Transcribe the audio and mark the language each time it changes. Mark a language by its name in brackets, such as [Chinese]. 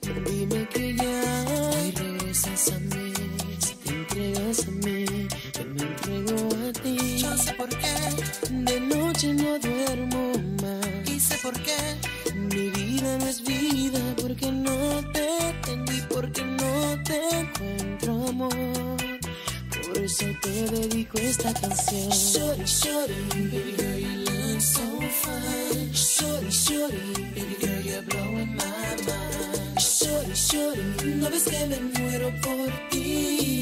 [Spanish] Dime que ya hoy regresas a mí, si te entregas a mí, yo me entrego a ti. Yo sé por qué de noche no duermo más. Y sé por qué mi vida no es vida, porque no te tengo y porque no te encuentro, amor. Por eso te dedico esta canción. [English] Shorty, shorty, baby girl, you look so fine. Shorty, shorty, baby girl, you're blowing my mind. [Spanish] Shorty, shorty, no ves que me muero por ti.